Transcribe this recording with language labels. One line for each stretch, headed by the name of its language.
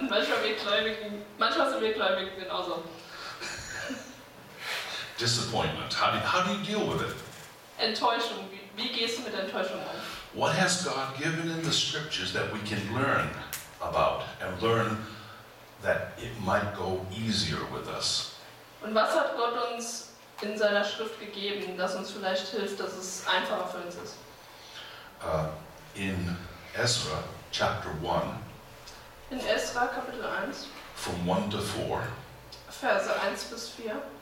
German: Und manchmal sind wir Gläubigen genauso.
English: Disappointment. How do you deal with it?
German: Enttäuschung. Wie gehst du mit Enttäuschung um?
English: What has God given in the scriptures that we can learn about and learn that it might go easier with us?
German: Und was hat Gott uns in seiner Schrift gegeben, das uns vielleicht hilft, dass es einfacher für uns ist?
English: In Ezra chapter 1.
German: In Ezra Kapitel 1.
English: From 1 to 4.
German: Verse 1 bis 4.